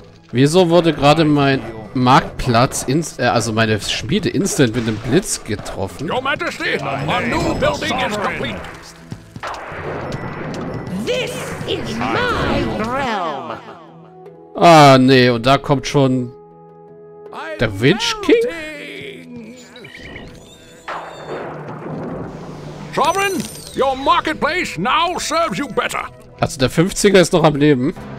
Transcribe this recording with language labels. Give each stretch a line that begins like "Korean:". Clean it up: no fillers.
German: Wieso wurde gerade mein Marktplatz, also meine Schmiede instant mit einem Blitz getroffen?
English: Your Majesty, a new building is complete! This is my realm.
German: Ah, nee, und da kommt schon der Witch King.
English: Sovereign, your marketplace now serves you better.
German: Also der 50er ist noch am Leben.